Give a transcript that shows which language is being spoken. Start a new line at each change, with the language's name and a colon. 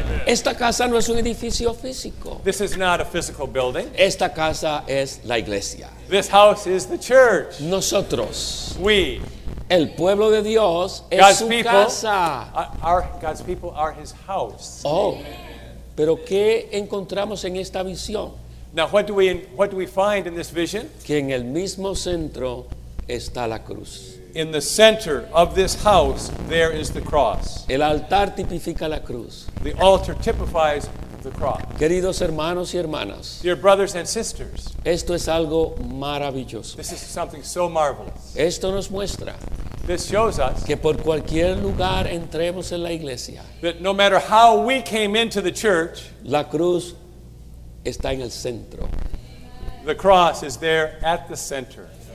Spanish: Esta casa no es un edificio físico.
English: This is not a physical building.
Spanish: Esta casa es la iglesia.
English: This house is the church.
Spanish: Nosotros.
English: We.
Spanish: El pueblo de Dios es
English: God's
Spanish: su
English: people,
Spanish: casa.
English: God's people are his house.
Spanish: Oh, pero ¿qué encontramos en esta visión?
English: Now, what do we find in this vision?
Spanish: Que en el mismo centro está la cruz.
English: In the center of this house, there is the cross.
Spanish: El altar tipifica la cruz.
English: The altar typifies the cross.
Spanish: Queridos hermanos y hermanas.
English: Dear brothers and sisters.
Spanish: Esto es algo maravilloso.
English: This is something so marvelous.
Spanish: Esto nos muestra.
English: This shows us.
Spanish: Que por cualquier lugar entremos en la iglesia.
English: That no matter how we came into the church.
Spanish: La cruz está en el centro.
English: The cross is there at the center.